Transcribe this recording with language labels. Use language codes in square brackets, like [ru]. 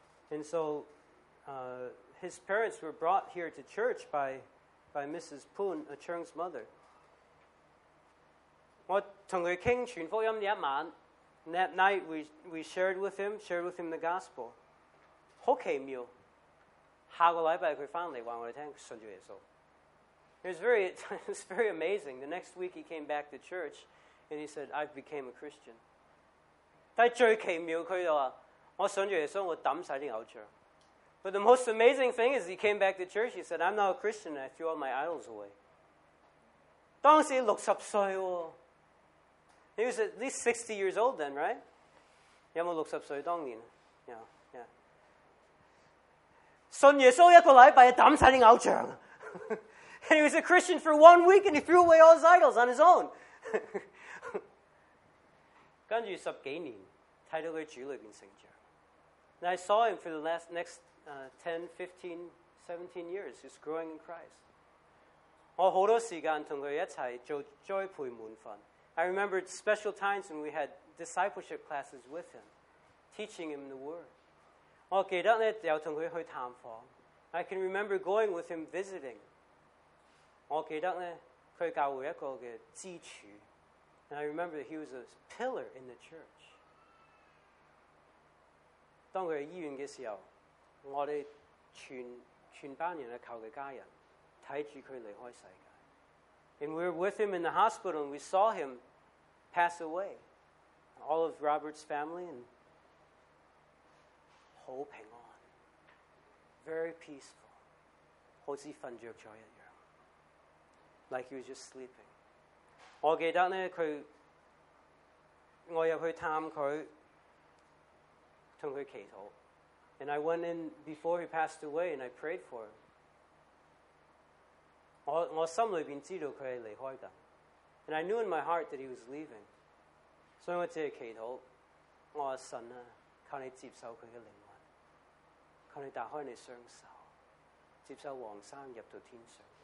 [en] And so, his parents were brought here to church by Mrs. Poon, Chung's mother. [yue] 我同佢傾傳福音一晚。 [en] That night, we shared with him the gospel. [yue] 好奇妙，下個禮拜佢翻嚟話我哋聽信咗耶穌。 [en] It was very amazing. The next week he came back to church and he said, I've become a Christian. [yue] 但最奇妙他就说，我信了耶稣，我抌晒啲偶像。 [en] But the most amazing thing is he came back to church, he said, I'm not a Christian and I threw all my idols away. [yue] 当时六十岁哦。 [en] He was at least 60 years old then, right? [yue] 有没有六十岁当年？ [en] Yeah. [yue] 信耶稣一个礼拜，抌晒啲偶像。 [en] And he was a Christian for 1 week and he threw away all his idols on his own. [yue] 跟住十几年，睇到佢主里边成长。 [en] And I saw him for the next 10, 15, 17 years. He's growing in Christ. [yue] 我好多时间同佢一齐做栽培门训。 [en] I remember special times when we had discipleship classes with him, teaching him the word. [yue] 我记得咧又同佢去探访。 [en] I can remember going with him visiting. [yue] 我記得咧，佢教會一個嘅支柱。 [en] And I remember that he was a pillar in the church. [yue] 當佢喺醫院嘅時候，我哋全班人嘅家人睇住佢離開世界。 [en] And we were with him in the hospital, and we saw him pass away. All of Robert's family and [yue] 好平安 ， [en] very peaceful， [yue] 好似瞓著咗一樣。 [en] Like he was just sleeping. [yue] 我記得咧，佢我入去探佢，同佢祈禱。 [en] And I went in before he passed away, and I prayed for him. [yue] 我心裏邊知道佢係離開緊。 [en] And I knew in my heart that he was leaving. [yue] 所以我只係祈禱，我話神啊，求你接受佢嘅靈魂，求你打開你雙手，接受王生入到天上。